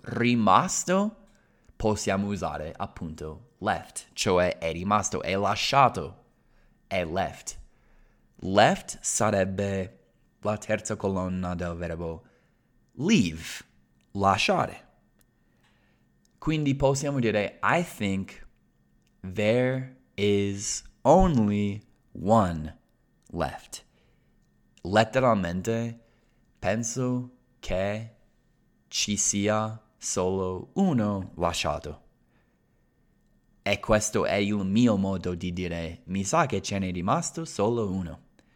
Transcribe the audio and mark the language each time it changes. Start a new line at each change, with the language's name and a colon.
Italian: Rimasto possiamo usare appunto left, cioè è rimasto, è lasciato. è left. Left sarebbe la terza colonna del verbo leave, lasciare. Quindi possiamo dire,
English: I think there is only one left.
Italian: Letteralmente, penso che ci sia solo uno lasciato. E questo è il mio modo di dire, mi sa che ce n'è rimasto solo uno.